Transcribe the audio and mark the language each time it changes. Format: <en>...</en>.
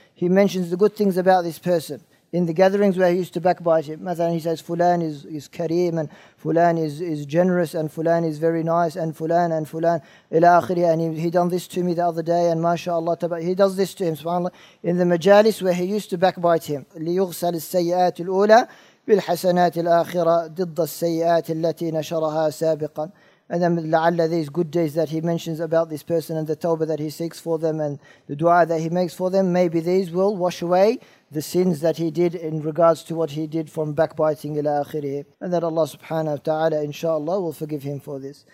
<en>He mentions the good things about this person in the gatherings where he used to backbite him. مثلا, he says fulan is kareem, and fulan is generous, and fulan is very nice, and fulan ila akhiri, and he done this to me the other day, and mashallah, he does this to him, subhanallah, in the majalis where he used to backbite him.</en> <ar>ليغسل السيئات الاولى بالحسنات الاخره ضد السيئات التي نشرها سابقا.</ar> <en>And then لعل, these good days that he mentions about this person, and the tawbah that he seeks for them, and the dua that he makes for them, maybe these will wash away the sins that he did in regards to what he did from backbiting ila akhirih. And that Allah subhanahu wa ta'ala, inshallah, will forgive him for this.</en>